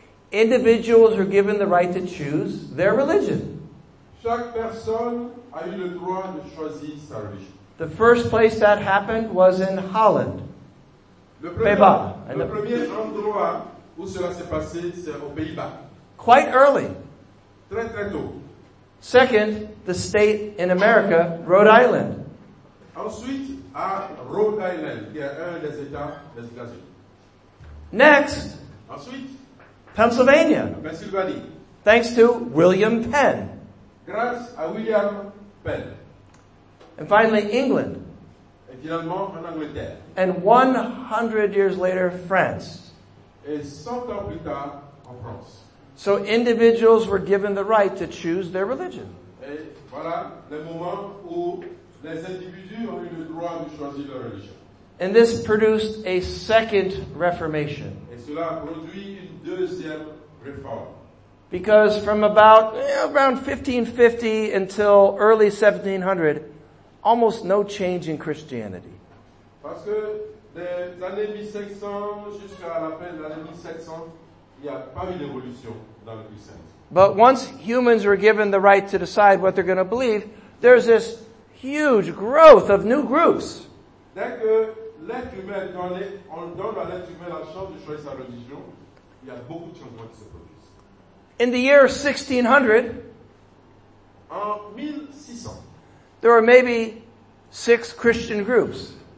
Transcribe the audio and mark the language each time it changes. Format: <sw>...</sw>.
<en>Individuals are given the right to choose their religion.</en> <fr>Chaque personne a eu le droit de choisir sa religion.</fr> <en>The first place that happened was in Holland.</en> <fr>Le premier endroit où cela s'est passé, c'est aux Pays-Bas.</fr> <en>Quite early.</en> <fr>Très, très tôt.</fr> <en>Second, the state in America, Rhode Island.</en> <fr>Ensuite, à Rhode Island, qui est un des États des États-Unis.</fr> <en>Next.</en> <fr>Ensuite.</fr> <en>Pennsylvania.</en> <fr>Pennsylvania.</fr> <en>Thanks to William Penn.</en> <fr>Grâce à William Penn.</fr> <en>And finally, England.</en> <fr>Et finalement, en Angleterre.</fr> <en>And 100 years later, France.</en> <fr>Et 100 ans plus tard, en France.</fr> <en>So individuals were given the right to choose their religion.</en> <fr>Et voilà le moment où les individus ont eu le droit de choisir leur religion.</fr> <en>And this produced a second Reformation.</en> <fr>Et cela a produit une deuxième réforme.</fr> <en>Because from about around 1550 until early 1700, almost no change in Christianity.</en> <fr>Parce que des années 1500 jusqu'à la fin de l'année 1700, il n'y a pas eu d'évolution dans le christianisme.</fr> <en>But once humans were given the right to decide what they're going to believe, there's this huge growth of new groups.</en> <fr>Dès que l'être humain, quand on donne à l'être humain la chance de choisir sa religion, il y a beaucoup de changements qui se produisent.</fr> <en>In the year 1600,</en> <fr>en 1600,</fr> <en>there were maybe six Christian groups.</en>